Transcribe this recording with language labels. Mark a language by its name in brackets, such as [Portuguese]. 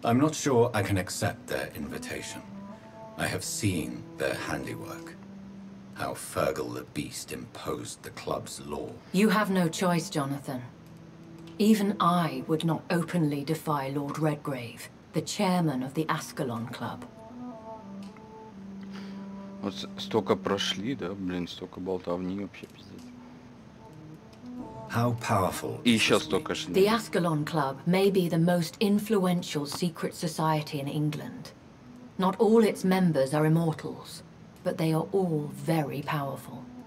[English] I'm not sure I can accept their invitation. I have seen their handiwork. How Fergal the Beast imposed the club's law. You have no choice, Jonathan. Even I would not openly defy Lord Redgrave, the chairman of the Ascalon Club. [Russian] Вот столько прошли, да, блин, столько болтовни вообще пиздец. [English] How powerful. [Russian] И еще столько же. [English] The Ascalon Club may be the most influential secret society in England. Not all its members are immortals, but they are all very powerful.